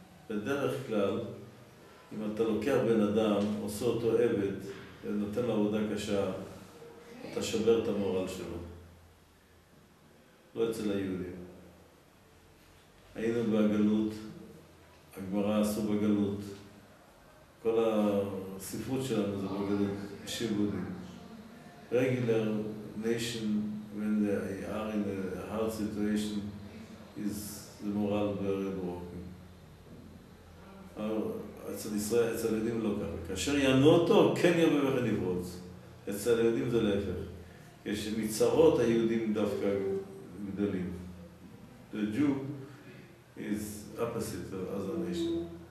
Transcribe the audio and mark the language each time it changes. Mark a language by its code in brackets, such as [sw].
[he] בדרך כלל, אם אתה לוקח בן אדם, עושה אותו עבד, ונותן לו עבודה קשה, אתה שובר את המורל שלו. לא אצל היהודים. היינו בגלות, הגמרא עשו בגלות. כל הספרות שלנו זה בגלות, שיבודים. [en] Regular nation, when they are in a hard situation, is the moral very broken. [he] אצל ישראל, אצל יהודים לא קרה. כאשר ינו אותו, כן ירבה וכן יפרוץ. אצל יהודים זה להפך. כשמצרות היהודים דווקא גדלים. [en] The Jew is opposite of other nation.